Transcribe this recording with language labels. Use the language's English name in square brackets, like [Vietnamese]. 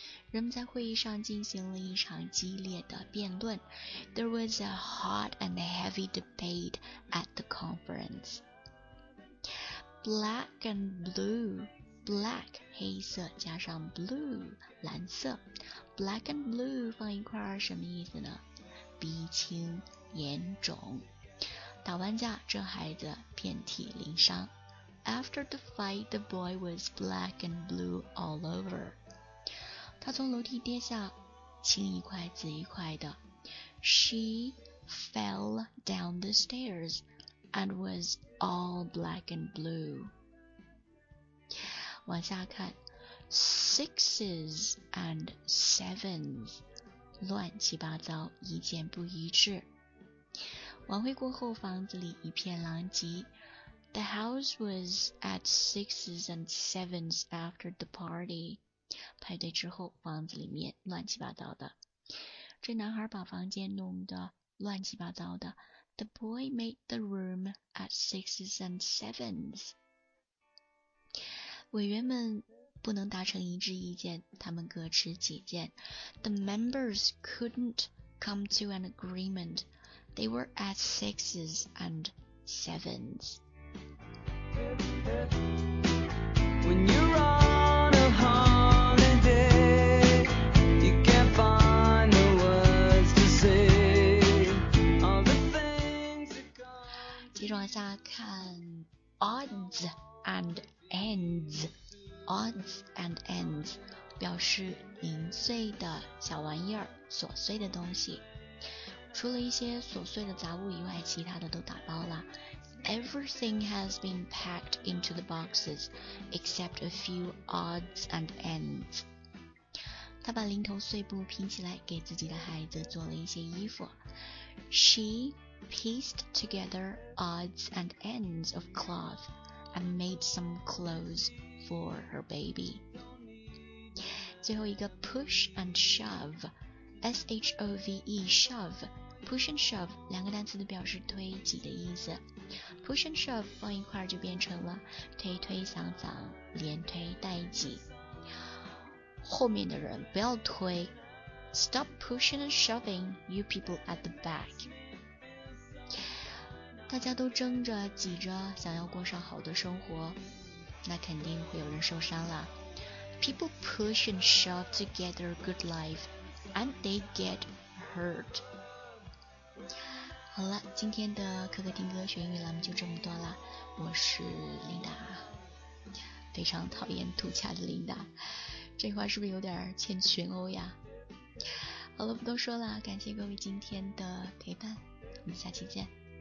[Chinese] 人们在会议上进行了一场激烈的辩论。 [English] There was a hot and heavy debate at the conference. [Chinese] Black and blue. Black 黑色加上 blue 蓝色， Black and blue 放一块什么意思呢？鼻青眼肿，打完架这孩子遍体鳞伤。 [English] After the fight, the boy was black and blue all over. [Chinese] 他从楼梯跌下，青一块紫一块的。 [English] She fell down the stairs and was all black and blue. [Chinese] 往下看， [English] Sixes and sevens. [Chinese] 乱七八糟，意见不一致。晚会过后，房子里一片狼藉。 [English] The house was at sixes and sevens after the party. [Chinese] 派对之后，房子里面乱七八糟的。这男孩把房间弄得乱七八糟的。 [English] The boy made the room at sixes and sevens. 委员们不能达成一致意见，他们各持己见。 The members couldn't come to an agreement. They were at sixes and sevens. When you're on a holiday, you can't find the words to say. All the things are gone. [Chinese] 接着往下看 [English] odds and ends. [Chinese] Odds and ends 表示零碎的小玩意儿，琐碎的东西。除了一些琐碎的杂物以外，其他的都打包了。 [English] Everything has been packed into the boxes except a few odds and ends. [Chinese] 他把零头碎布拼起来，给自己的孩子做了一些衣服。 [English] She pieced together odds and ends of cloth and made some clothesfor her baby. [Chinese] 最后一个 push and shove, S-H-O-V-E, shove, push and shove, 两个单词都表示推挤的意思。 push and shove 放一块就变成了推推搡搡，连推带挤。后面的人不要推， [English] stop pushing and shoving you people at the back. [Chinese] 大家都争着挤着想要过上好的生活，那肯定会有人受伤了。 [English] People push and shove to get their good life and they get hurt. [Chinese] 好了，今天的可可听歌学英语栏目就这么多了。我是琳达，非常讨厌吐恰的琳达，这话是不是有点欠群殴呀？好了，不多说了，感谢各位今天的陪伴，我们下期见。